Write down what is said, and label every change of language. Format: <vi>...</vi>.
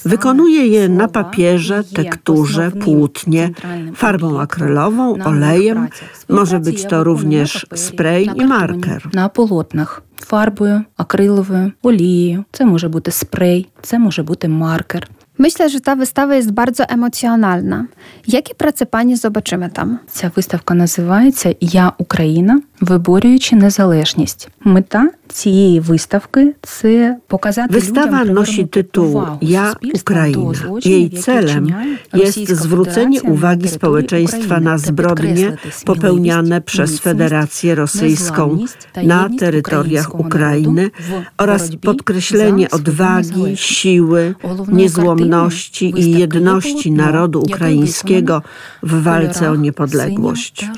<pl>Wykonuję je na papierze, tekturze, płótnie, farbą akrylową, olejem. Może być to również spray i marker. Na polotnach. Farbą akrylową, oleju. To może być spray, to może być marker. Myślę, że ta wystawa jest bardzo emocjonalna. Jakie prace pani zobaczymy tam?</pl> <uk>Ця виставка називається «Я Україна, виборюючи незалежність». Мета цієї виставки – це показати</uk> <pl>Wystawa nosi tytuł «Я Україна». Jej celem jest zwrócenie uwagi społeczeństwa na zbrodnie popełniane przez Federację Rosyjską na terytoriach Ukrainy oraz podkreślenie odwagi, siły, niezłomności i jedności narodu ukraińskiego w walce o niepodległość.</pl>